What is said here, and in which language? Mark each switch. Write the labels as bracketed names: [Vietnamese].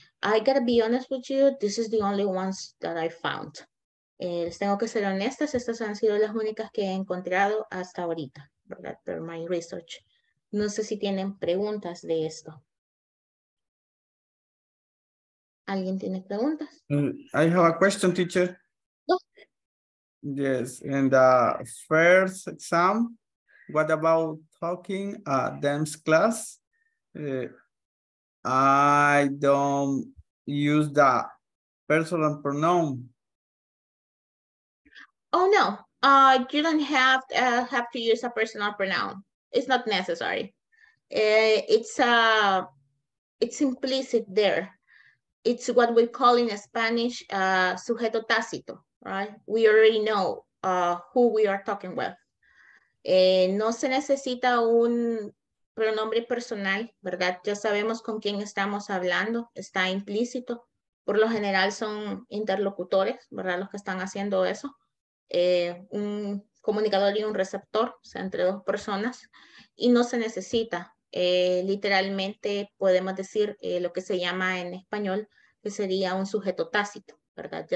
[English] I gotta be honest with you, this is the only ones that I found. [Spanish] Les tengo que ser honestas, estas han sido las únicas que he encontrado hasta ahorita, ¿verdad? [English] Per my research. [Spanish] No sé si tienen preguntas de esto. ¿Alguien tiene preguntas? [English] I have a question, teacher. Yes, in the first exam, what about talking at them's class? I don't use the personal pronoun. Oh, no. You don't have to use a personal pronoun. It's not necessary. It's implicit there. It's what we call in Spanish sujeto tácito. Right, we already know who we are talking with. [Spanish] No se necesita un pronombre personal, ¿verdad? Ya sabemos con quién estamos hablando, está implícito. Por lo general son interlocutores, ¿verdad? Los que están haciendo eso. Un comunicador y un receptor, o sea, entre dos personas. Y no se necesita, literalmente podemos decir lo que se llama en español, que sería un sujeto tácito, ¿verdad?